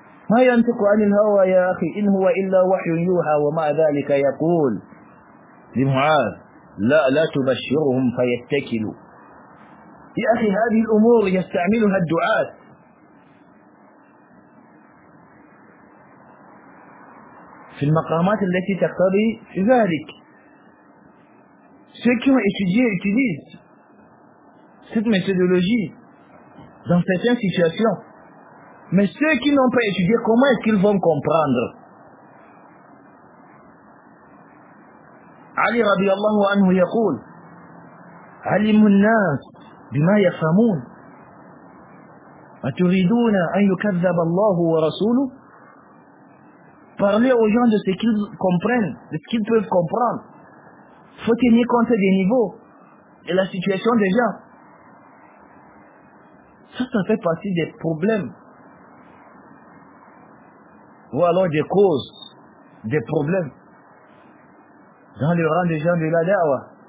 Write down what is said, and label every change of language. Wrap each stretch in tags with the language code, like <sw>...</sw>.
<ar>ما ينطق عن الهوى يا أخي إن هو إلا وحي يوحى ومع ذلك يقول لمعاذ لا تبشرهم فيتكلوا. يا أخي هذه الأمور يستعملها الدعاة. في المقامات التي تقتضي في ذلك</ar> <fr>ce qu'on étudie et utilise cette méthodologie dans certaines situations. Mais ceux qui n'ont pas étudié, comment est-ce qu'ils vont comprendre?</fr> <ar>Ali رضي الله عنه يقول علم الناس بما يفهمون أتريدون أن يكذب الله ورسوله.</ar> <fr>Parler aux gens de ce qu'ils comprennent, de ce qu'ils peuvent comprendre. Il faut tenir compte des niveaux et la situation des gens. Ça, ça fait partie des problèmes. Ou alors des causes, des problèmes. Dans le rang des gens de la da'wa.</fr>